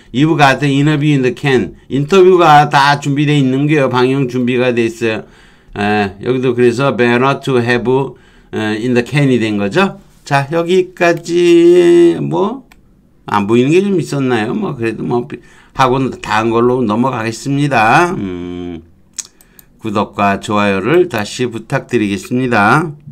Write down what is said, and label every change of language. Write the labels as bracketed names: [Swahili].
[English] You've got the interview in the can. [Korean] 인터뷰가 다 준비되어 있는 게요. 방영 준비가 됐어요. 여기도 그래서 [English] better to have in the can [Korean] 이 된 거죠. 자, 여기까지 뭐 안 보이는 게 좀 있었나요? 뭐 그래도 뭐 하고 다한 걸로 넘어가겠습니다. 구독과 좋아요를 다시 부탁드리겠습니다.